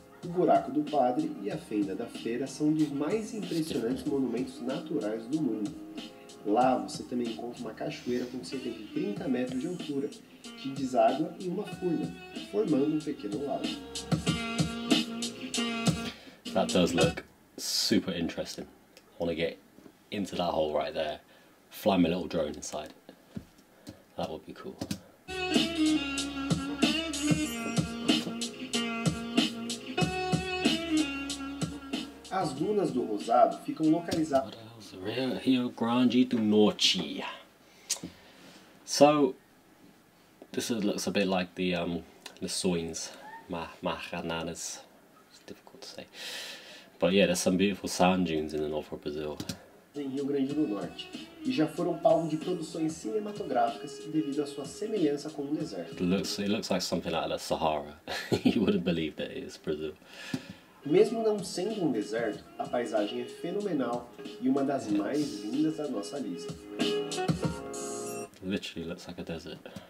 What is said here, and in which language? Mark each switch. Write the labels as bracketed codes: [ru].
[pt] O Buraco do Padre e a Fenda da Feira são um dos mais impressionantes monumentos naturais do mundo. Lá você também encontra uma cachoeira com cerca de 30 metros de altura, que deságua em uma furna, formando um pequeno lago. [en] That does look super interesting. I want to get into that hole right there. Fly my little drone inside. That would be cool. [pt] As dunas do Rosado ficam localizadas. [en] Rio Grande do Norte. So, this looks a bit like the Lições Maranhenses. It's difficult to say. But yeah, there's some beautiful sand dunes in the north of Brazil. [pt] Em Rio Grande do Norte. E já foram palco de produções cinematográficas devido à sua semelhança com o deserto. [en] It looks like something out of the Sahara. You wouldn't believe that it's Brazil. [pt] Mesmo não sendo um deserto, a paisagem é fenomenal e uma das mais lindas da nossa lista. [en] Literally looks like a desert.